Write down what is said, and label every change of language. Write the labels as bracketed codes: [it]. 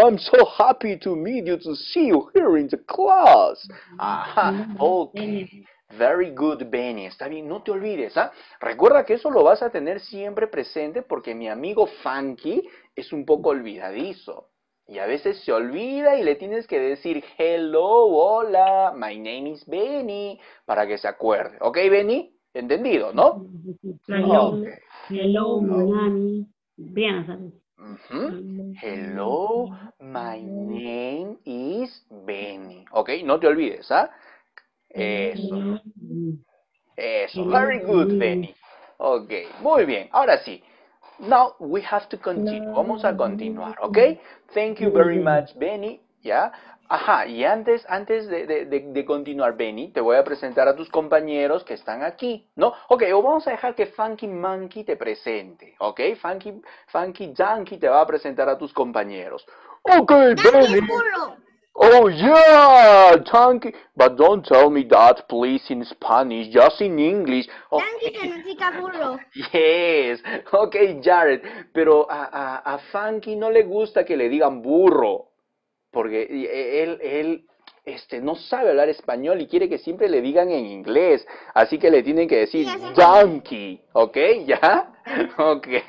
[en] I'm so happy to meet you, to see you here in the class. Aha. Okay. Benny. Very good, Benny. [es] Está bien, no te olvides, ¿ah? Recuerda que eso lo vas a tener siempre presente porque mi amigo Funky es un poco olvidadizo. Y a veces se olvida y le tienes que decir, hello, hola, [en] my name is Benny, [es] para que se acuerde. ¿Ok, Benny? ¿Entendido, no? [en] Okay. Hello, Uh-huh. Hello, my name is Benny. ¿Ok? [es] No te olvides, ¿ah? [en] Eso. Very good, Benny. Ok, [es] muy bien. Ahora sí. [en] Now we have to continue. [es] Vamos a continuar, [en] ¿ok? Thank you very much, Benny. ¿Ya? [es] Ajá, y antes de continuar, Benny, te voy a presentar a tus compañeros que están aquí, ¿no? Ok, o vamos a dejar que Funky Monkey te presente, ¿ok? Funky Junkie te va a presentar a tus compañeros. [en] Ok, Benny. Oh, yeah, donkey. But don't tell me that, please, in Spanish, just in English. [es] Donkey significa burro. [en] Yes. Ok, Jared. [es] Pero a Funky no le gusta que le digan burro. Porque él no sabe hablar español y quiere que siempre le digan en inglés. Así que le tienen que decir donkey. Ok, ¿ya? Ok.